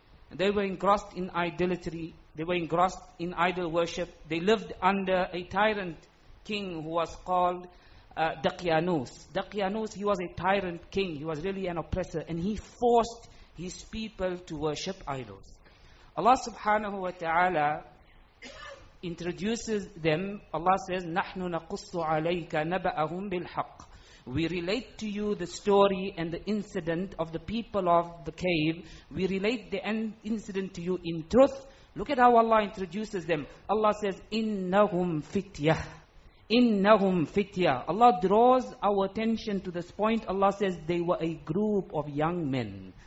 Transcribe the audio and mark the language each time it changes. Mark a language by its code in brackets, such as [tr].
[en] They were engrossed in idolatry. They were engrossed in idol worship. They lived under a tyrant king who was called Daqyanus. Daqyanus, he was a tyrant king. He was really an oppressor. And he forced his people to worship idols. Allah subhanahu wa ta'ala introduces them, Allah says, [ar] نَحْنُ نَقُصُّ عَلَيْكَ نَبَأَهُمْ بِالْحَقِّ. [en] We relate to you the story and the incident of the people of the cave. We relate the incident to you in truth. Look at how Allah introduces them. Allah says, [ar] إِنَّهُمْ فِتْيَةٌ. إِنَّهُمْ فِتْيَةٌ. [en] Allah draws our attention to this point. Allah says, they were a group of young men.